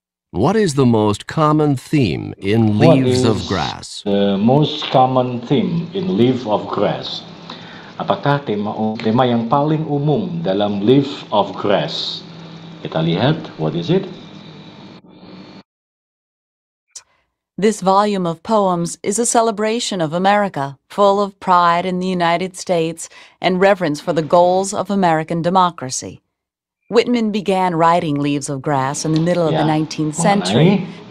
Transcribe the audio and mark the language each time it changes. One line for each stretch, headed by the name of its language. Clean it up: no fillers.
English: What is the most common theme in Leaves of Grass? The most common theme in Leaves of Grass.
Indonesian: Apakah tema yang paling umum dalam Leaves of Grass? Kita lihat,
English: what is it? This volume of poems is a celebration of America, full of pride in the United States and reverence for the goals of American democracy. Whitman began writing Leaves of Grass in the middle of the 19th century.